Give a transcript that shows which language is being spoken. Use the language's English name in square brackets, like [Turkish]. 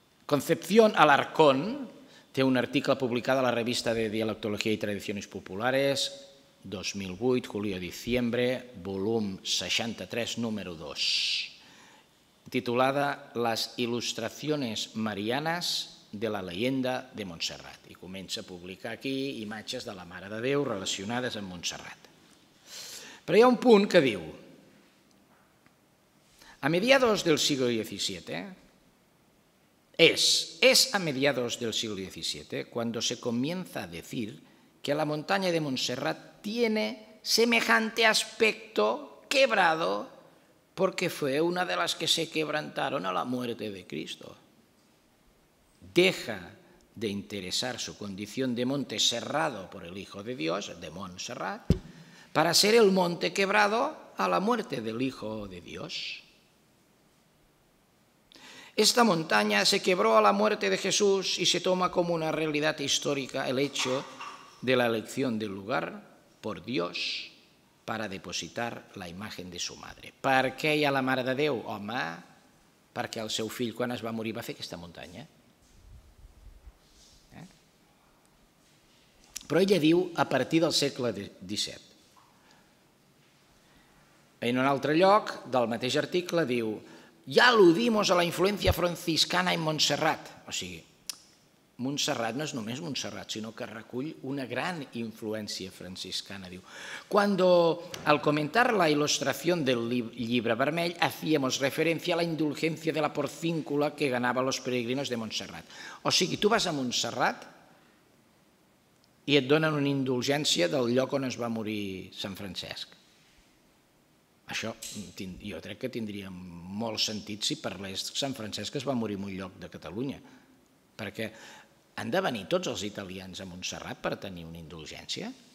[Catalan] Concepción Alarcón té un article publicat a la revista de Dialectología y Tradiciones Populares, 2008, julio-diciembre, volum 63, número 2, titulada Las ilustraciones marianas de la leyenda de Montserrat. I comença a publicar aquí imatges de la Mare de Déu relacionades amb Montserrat. [Spanish] Però hi ha un punt que diu: a mediados del siglo XVII, es a mediados del siglo XVII cuando se comienza a decir que la montaña de Montserrat tiene semejante aspecto quebrado porque fue una de las que se quebrantaron a la muerte de Cristo. Deja de interesar su condición de monte serrado por el Hijo de Dios, de Montserrat, para ser el monte quebrado a la muerte del Hijo de Dios. Esta montaña se quebró a la muerte de Jesús y se toma como una realidad histórica el hecho de la elección del lugar por Dios para depositar la imagen de su madre. [Catalan] ¿Per què hi ha la Mare de Déu, home? Perquè el seu fill, quan es va morir, va fer aquesta muntanya. Però ella diu, a partir del segle XVII. En un altre lloc del mateix article diu: [Spanish] ya aludimos a la influencia franciscana en Montserrat. [Catalan] O sigui, Montserrat no és només Montserrat, sinó que recull una gran influència franciscana. [Spanish] Diu: cuando al comentar la ilustración del llibre vermell hacíamos referencia a la indulgencia de la porcíncula que ganaba los peregrinos de Montserrat. [Catalan] O sigui, tu vas a Montserrat i et donen una indulgència del lloc on es va morir Sant Francesc. Això jo crec que tindria molt sentit si parlés Sant Francesc, que es va morir en un lloc de Catalunya, perquè han de venir tots els italians a Montserrat per tenir una indulgència?